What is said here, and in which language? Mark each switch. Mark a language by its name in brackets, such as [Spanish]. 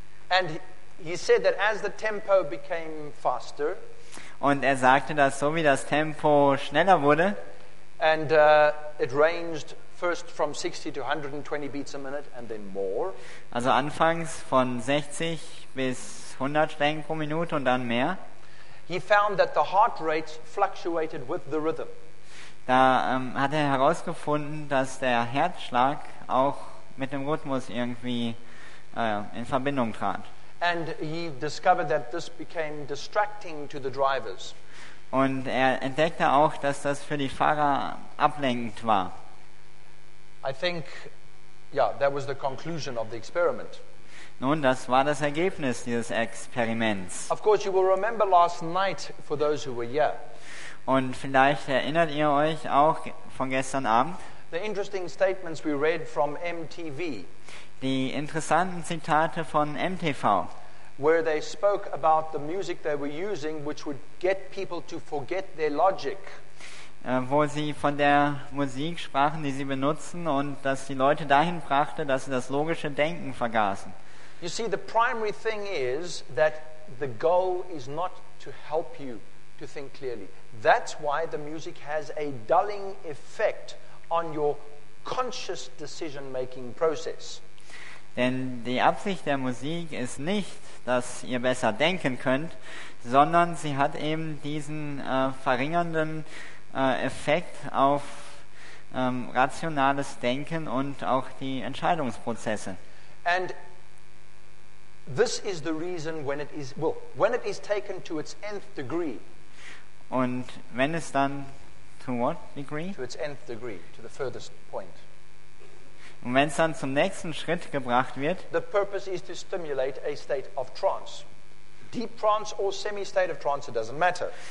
[English] And he said that as the tempo became faster, [German] und er sagte, dass so wie das Tempo schneller wurde, [English] and it ranged first from 60 to 120 beats a minute and then more. [German] Also anfangs von 60 bis 100 Schlägen pro Minute und dann mehr. [English] He found that the heart rates fluctuated with the rhythm. [German] Da hat er herausgefunden, dass der Herzschlag auch mit dem Rhythmus irgendwie in Verbindung trat. [English] And he discovered that this became distracting to the drivers. [German] Und er entdeckte auch, dass das für die Fahrer ablenkend war. [English] I think, yeah, that was the conclusion of the experiment. [German] Nun, das war das Ergebnis dieses Experiments. [English] Of course, you will remember last night for those who were here. [German] Und vielleicht erinnert ihr euch auch von gestern Abend. [English] The interesting statements we read from MTV. [German] Die interessanten Zitate von MTV. [English] Where they spoke about the music they were using, which would get people to forget their logic. [German] Wo sie von der Musik sprachen, die sie benutzen, und dass die Leute dahin brachte, dass sie das logische Denken vergaßen. [English] You see, the primary thing is that the goal is not to help you to think clearly. That's why the music has a dulling effect on your conscious decision-making process. [German] Denn die Absicht der Musik ist nicht, dass ihr besser denken könnt, sondern sie hat eben diesen verringernden Effekt auf rationales Denken und auch die Entscheidungsprozesse. [English] And this is the reason when it is, well, when it is taken to its nth degree. [German] Und wenn es dann [English] to what degree? To its nth degree, to the furthest point. [German] Und wenn es dann zum nächsten Schritt gebracht wird, [English] the purpose is to stimulate a state of trance. Deep trance or semi-state of trance, it doesn't matter.